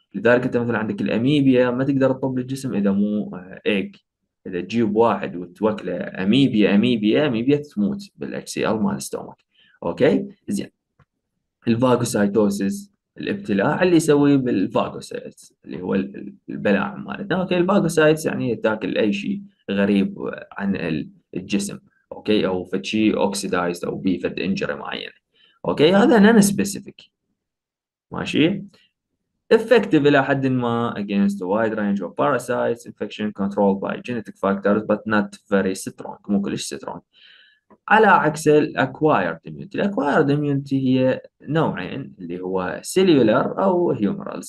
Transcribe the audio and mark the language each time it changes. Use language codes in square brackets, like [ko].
[ar] لذلك انت مثلا عندك الاميبيا ما تقدر تطب للجسم اذا مو ايج، اذا تجيب واحد وتوكله اميبيا اميبيا اميبيا تموت بالاتش سي ال مال ستومك. اوكي زين، الفاجوسايتوسيس الابتلاع اللي يسوي بالفاجوسايتس اللي هو البلاع مالتنا. اوكي، الفاجوسايتس يعني تاكل اي شيء غريب عن الجسم. اوكي، او فد شيء اوكسيدايز او بي فد انجري معينه. [en] okay, [ar] هذا نان سبيسيفيك ماشي، [en] effective [ar] إلى حد ما [en] against a wide range of parasites, infection controlled by genetic factors but not very strong، [ar] مو كلش [en] strong. [ar] على عكس ال acquired immunity، ال acquired immunity هي نوعين اللي هو cellular أو humoral.